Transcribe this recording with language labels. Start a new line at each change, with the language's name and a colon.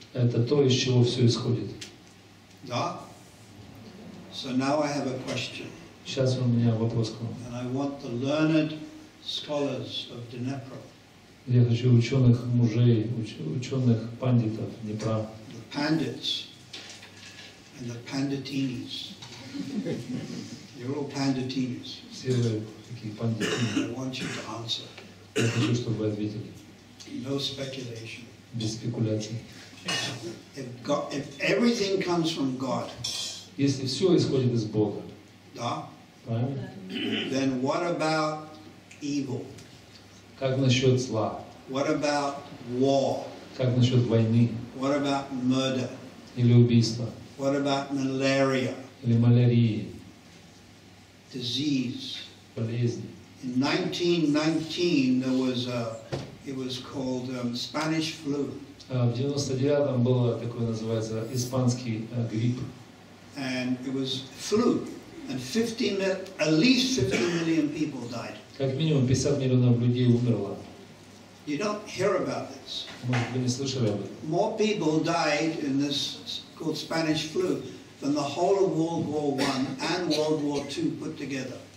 Russian: Это то, из чего все исходит.
English: Да. So now I have a question.
Russian: Сейчас у меня вопрос к вам.
English: And I want the learned scholars of Dnepr.
Russian: Я хочу ученых мужей, ученых пандитов Днепра.
English: The pandits. And the panditinis. You're all panditinis.
Russian: Все вы такие панditini.
English: I want you to answer.
Russian: Я хочу, чтобы вы ответили.
English: No speculation.
Russian: Без спекуляций.
English: If everything comes from God.
Russian: Если все исходит из Бога. Да. Правильно?
English: Then what about evil?
Russian: Как насчет зла?
English: What about war?
Russian: Как насчет войны?
English: What about murder?
Russian: Или убийство?
English: What about malaria?
Russian: Или малярии.
English: Disease.
Russian: Болезнь.
English: In 1919 there was a, it was called Spanish flu.
Russian: В 99-м было такое называется испанский грипп.
English: And it was flu, and at least 50 million people died.
Russian: Как минимум 50 миллионов людей умерло.
English: You don't hear about this.
Russian: Может, вы не слышали об этом.
English: More people died in this called Spanish flu than the whole of World War I and World War II put together.